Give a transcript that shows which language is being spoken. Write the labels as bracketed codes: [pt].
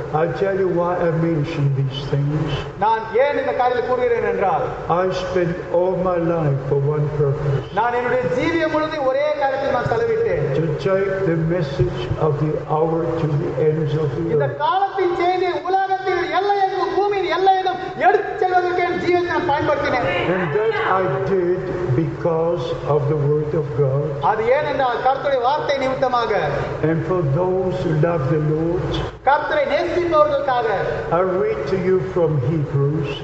[en] I tell you why I mention these things. [ta] நான் ஏன் இந்த காரியத்தை கூறுகிறேன் என்றால், [en] I spent all my life for one purpose. [ta] நான் என்னுடைய ஜீவியம் முழுதும் ஒரே காரியத்தில் நான் செலவிட்டேன். [en] To take the message of the hour to the ends of the earth. [ta] இந்த காலத்தின் செய்தியை உலகத்தின் எல்லையெங்கும் பூமியின் எல்லையெங்கும் எடுத்து செல்வதற்கு என் ஜீவியத்தை நான் பயன்படுத்தினேன். [en] And that I did because of the word of God. [ta] அது ஏனென்றால் கர்த்தருடைய வார்த்தை நிமித்தமாக. [en] And for those who love the Lord. [ta] கர்த்தரை நேசிப்பவர்களுக்காக. [en] I read to you from Hebrews.